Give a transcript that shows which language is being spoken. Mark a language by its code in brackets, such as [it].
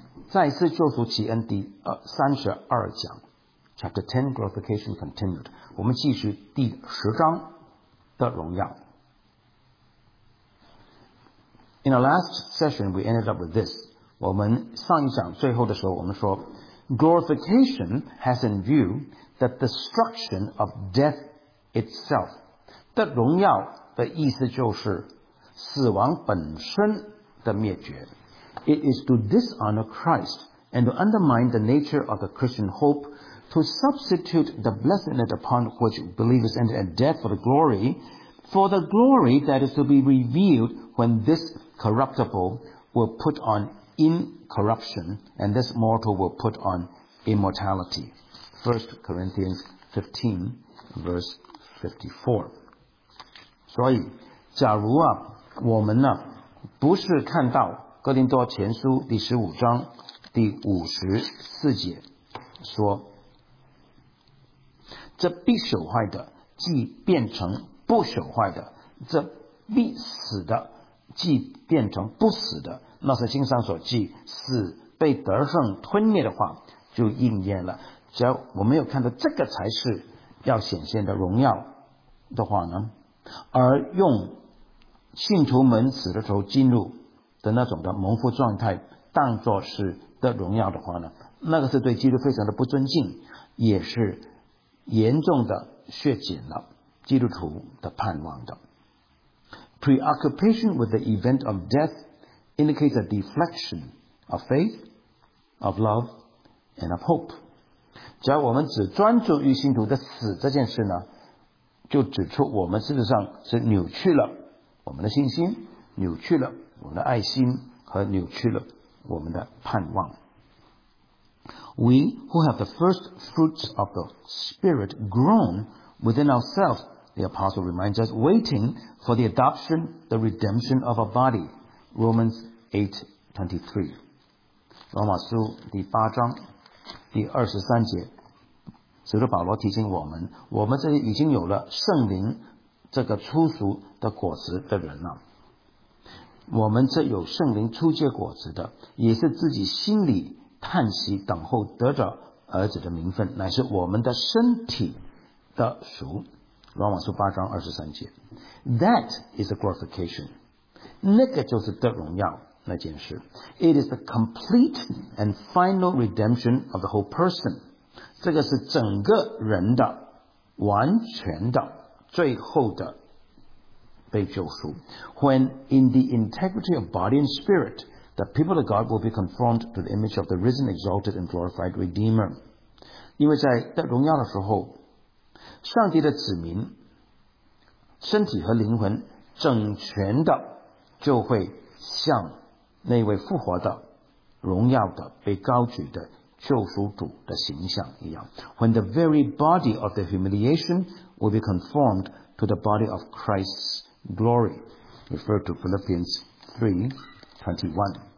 [zh] 再一次救赎启恩第三十二讲 ， [en] Chapter 10 Glorification continued。 [zh] 我们继续第十章的荣耀。 [en] In our last session, we ended up with this. [zh] 我们上一讲最后的时候，我们说 [en] ，Glorification has in view the destruction of death itself. [zh] 的荣耀的意思就是死亡本身的灭绝。 [en] It is to dishonor Christ and to undermine the nature of the Christian hope, to substitute the blessedness upon which believers enter at death for the glory that is to be revealed when this corruptible will put on incorruption and this mortal will put on immortality. 1 Corinthians 15, verse 54. [zh] 所以，假如啊，我们呢，不是看到哥林多前书第十五章第五十四节说，这必朽坏的既变成不朽坏的，这必死的既变成不死的，那是经上所记死被得胜吞灭的话就应验了。只要我没有看到这个才是要显现的荣耀的话呢，而用信徒们死的时候进入的那种的蒙福状态当作是的荣耀的话呢，那个是对基督非常的不尊敬，也是严重的削减了基督徒的盼望的。 [en] Preoccupation with the event of death indicates a deflection of faith, of love, and of hope. [zh] 只要我们只专注于信徒的死这件事呢，就指出我们事实上是扭曲了我们的信心，扭曲了我们的爱心和扭曲了我们的盼望。 [en] We who have the first fruits of the Spirit grown within ourselves, the apostle reminds us, waiting for the adoption, the redemption of our body. Romans 8:23. [zh] 罗马书第八章第二十三节，使徒保罗提醒我们，我们这已经有了圣灵这个初熟的果实的人了，我们这有圣灵初结果子的，也是自己心里叹息等候得着儿子的名分，乃是我们的身体的属。罗马书八章二十三节。 [en] That is a glorification. [zh] 那个就是得荣耀那件事。 [en] It is the complete and final redemption of the whole person. [zh] 这个是整个人的完全的最后的被救赎。 [en] When in the integrity of body and spirit, the people of God will be conformed to the image of the risen, exalted, and glorified Redeemer. [zh] 因为在得荣耀的时候，上帝的子民身体和灵魂整全的就会向那位复活的、荣耀的、被高举的救赎主的形象一样。 [en] When the very body of the humiliation will be conformed to the body of Christ'sglory, referred to Philippians 3:21.